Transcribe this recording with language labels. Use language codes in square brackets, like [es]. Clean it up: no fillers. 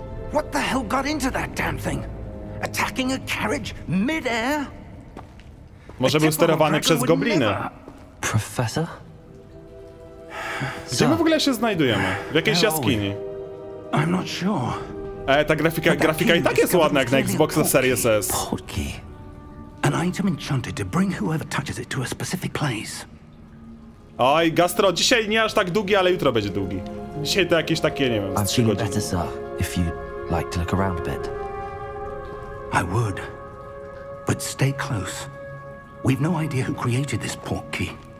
[en] What the hell got into that damn thing? Attacking a carriage mid-air? [pl] Może był sterowany przez gobliny. Profesor? Gdzie my w ogóle się znajdujemy? W jakiejś jaskini? [en] I'm not sure. [pl] Ta grafika i tak jest ładna jak na Xboxa Series S. [en] An item enchanted to bring whoever touches it to a specific place. [pl] Oj, Gastro, dzisiaj nie aż tak długi, ale jutro będzie długi. Dzisiaj to jakieś takie, nie wiem, 3 godziny. [en] If you'd like to look around a bit. I would. But stay close. We've no idea who created this portkey.